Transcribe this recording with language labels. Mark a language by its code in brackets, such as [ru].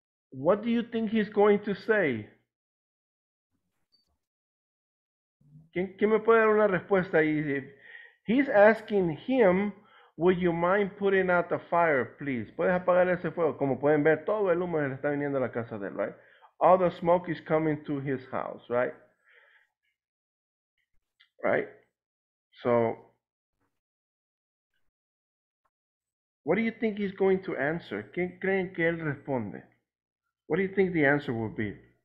[en] What do you think he's going to say? [es] ¿Quién me puede dar una respuesta ahí? [en] He's asking him, would you mind putting out the fire, please? [es] ¿Puedes apagar ese fuego? Como pueden ver, todo el humo está viniendo a la casa de él, right? [en] All the smoke is coming to his house, right? Right? So, what do you think he's going to answer? [es] ¿Qué creen que él responde? [en] What do you think the answer would be?